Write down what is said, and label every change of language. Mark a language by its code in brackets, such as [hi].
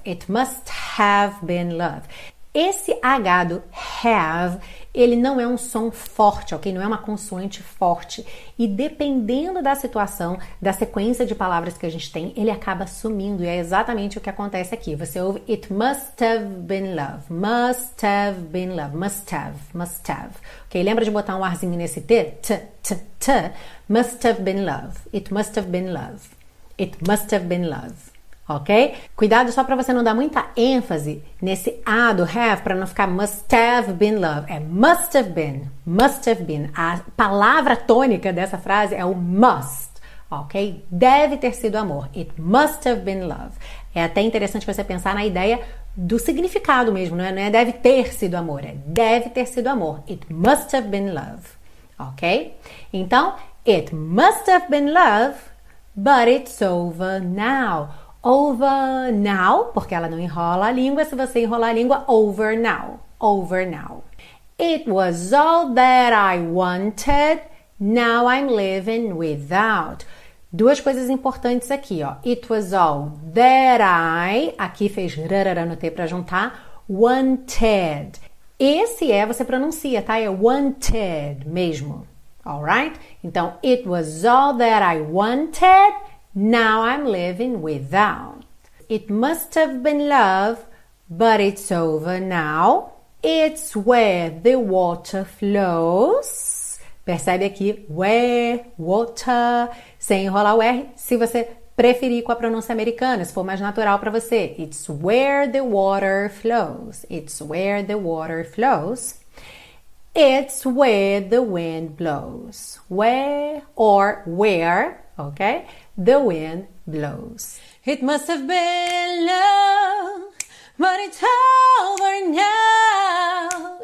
[en] It must have been love. [pt] Esse H do have, ele não é um som forte, ok? Não é uma consoante forte. E dependendo da situação, da sequência de palavras que a gente tem, ele acaba sumindo. E é exatamente o que acontece aqui. Você ouve [en] "It must have been love." Must have been love. Must have. Must have. Ok? [pt] Lembra de botar um arzinho nesse T? [en] T, T, T. Must have been love. It must have been love. It must have been love. Ok? [pt] Cuidado só para você não dar muita ênfase nesse A do have, para não ficar must have been love. [en] É must have been, must have been. [pt] A palavra tônica dessa frase é o must, ok? Deve ter sido amor. [en] It must have been love. [pt] É até interessante você pensar na ideia do significado mesmo, não é? Não é deve ter sido amor, é deve ter sido amor. [en] It must have been love, ok? Então, it must have been love, but it's over now. Over now, [pt] porque ela não enrola a língua. Se você enrolar a língua, [en] over now. Over now. It was all that I wanted. Now I'm living without. [pt] Duas coisas importantes aqui, ó. [en] It was all that I... [pt] Aqui fez rarara no T pra juntar. Wanted. Esse é, você pronuncia, tá? É wanted mesmo. Alright? [en] Então, it was all that I wanted. Now I'm living without. It must have been love, but it's over now. It's where the water flows. [pt] Percebe aqui, where, water, sem enrolar o R, se você preferir com a pronúncia americana, se for mais natural para você. [en] It's where the water flows. It's where the water flows. It's where the wind blows. Where or where, ok? The wind blows. It must have been love, but it's over now.